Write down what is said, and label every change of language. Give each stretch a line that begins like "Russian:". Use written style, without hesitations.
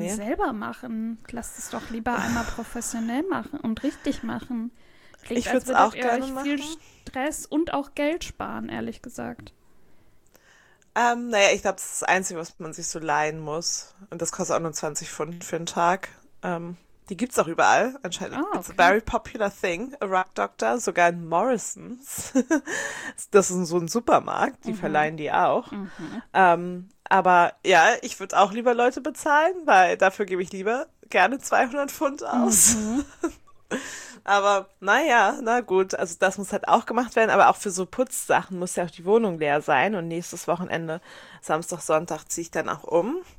German: ihr das denn selber machen? Lasst es doch lieber einmal professionell machen und richtig machen. Klingt, ich würde es auch gerne machen. Viel Stress und auch Geld sparen, ehrlich gesagt. Naja, ich glaube, das ist das Einzige, was man sich so leihen muss. Und das kostet auch nur 20 Pfund für einen Tag. Die gibt's auch überall, anscheinend. Oh, okay.
English: It's a very popular thing, a Rug Doctor,
German: sogar in Morrisons. Das ist so ein Supermarkt, die verleihen die auch. Aber ja, ich würde auch lieber Leute bezahlen, weil dafür gebe ich lieber gerne 200 Pfund aus. Aber naja, na gut, also das muss halt auch gemacht werden, aber auch für so Putzsachen muss ja auch die Wohnung leer sein und nächstes Wochenende, Samstag, Sonntag, ziehe ich dann auch um.